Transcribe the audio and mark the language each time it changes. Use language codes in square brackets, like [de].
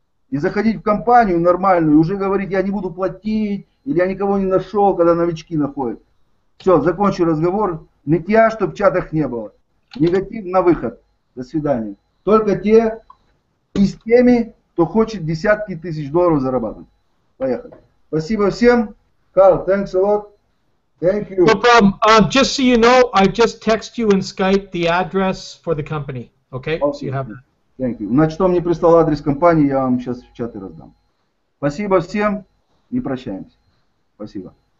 [ru] И заходить в компанию нормальную, и уже говорить, я не буду платить, или я никого не нашел, когда новички находят. Все, закончу разговор. Нытья, чтобы в чатах не было. Негатив на выход. До свидания. Только те, и с теми, кто хочет десятки тысяч долларов зарабатывать. Поехали. Спасибо всем. [en] Карл, thanks a lot. Thank you. No problem. Just so you know, I just text you in Skype the address for the company. Okay? Okay. So you have that. Thank you. [ru] Значит, он мне прислал адрес компании, я вам сейчас в чаты раздам. Спасибо всем и прощаемся. Спасибо.